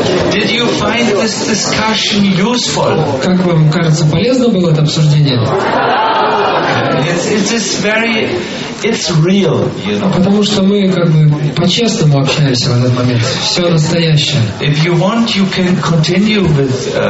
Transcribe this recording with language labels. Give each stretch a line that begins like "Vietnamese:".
English: Did you find this discussion useful?
Russian: Как вам кажется, полезно было это обсуждение?
English: It's very real, you know.
Russian: Потому что мы как бы по-честному общаемся в этот момент. Все настоящее.
English: If you want, you can continue with.